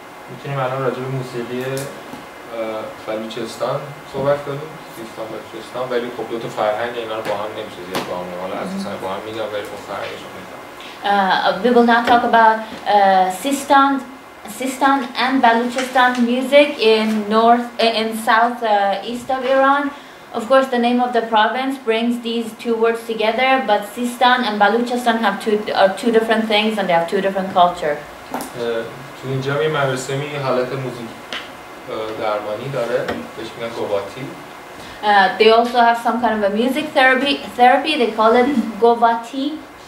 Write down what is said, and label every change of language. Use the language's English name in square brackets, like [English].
[Persian] می‌تونیم الان راجع به موسیقی بلوچستان صحبت کنیم سیستان بلوچستان ولی خب دو تا فرهنگ اینا رو با هم نمیشه زیاد با هم حالا اساساً با هم میگم ولی خب فرهنگش رو میگم [English] We will not talk about Sistan and Balochistan music in north in south east of Iran. Of course, the name of the province brings these two words together, but Sistan and Balochistan have two different things and they have two different culture. [Persian] تو اینجا یه مراسمی حالت موزیک درمانی داره بهش میگن گواتی [English] they also have some kind of a music therapy they call it گواتی